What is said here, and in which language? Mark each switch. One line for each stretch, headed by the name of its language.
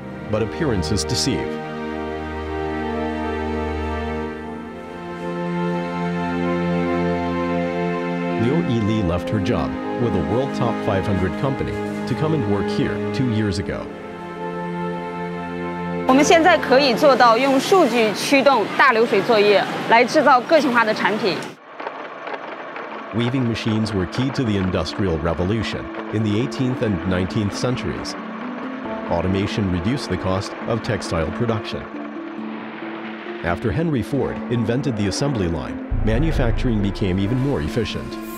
English: But appearances deceive. Liu Yili left her job with a world top 500 company to come and work here 2 years ago.
Chinese: 我们现在可以做到用数据驱动大流水作业来制造个性化的产品。
English: Weaving machines were key to the Industrial Revolution in the 18th and 19th centuries. Automation reduced the cost of textile production. After Henry Ford invented the assembly line, manufacturing became even more efficient.